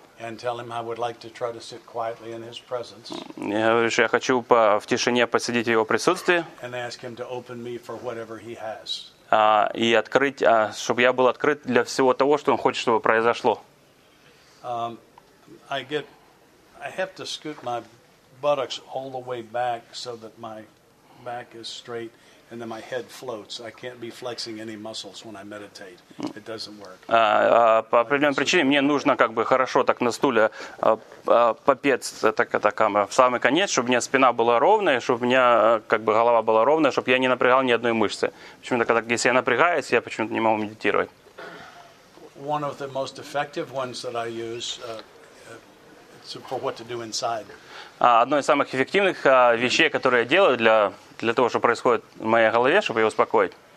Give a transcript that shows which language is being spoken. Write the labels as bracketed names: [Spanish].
[English] And tell him I would like to try to sit quietly in his presence. [Russian] Я говорю, что я хочу в тишине посидеть в его присутствии. [English] And ask him to open me for whatever he has. [Russian] И открыть, чтобы я был открыт для всего того, что он хочет, чтобы произошло. [English] I have to scoot my buttocks all the way back so that my back is straight. And then my head floats. I can't be flexing any muscles when I meditate. It doesn't work. [Russian] По определенной причине мне нужно как бы хорошо так на стуле попец в самый конец, чтобы у меня спина была ровная, чтобы у меня как бы голова была ровная, чтобы я не напрягал ни одной мышцы. Почему-то, когда если я напрягаюсь, я почему-то не могу медитировать. [English] One of the most effective ones that I use for what to do inside. [Russian] Одно из самых эффективных вещей, которые я делаю для того, что происходит в моей голове, чтобы ее успокоить.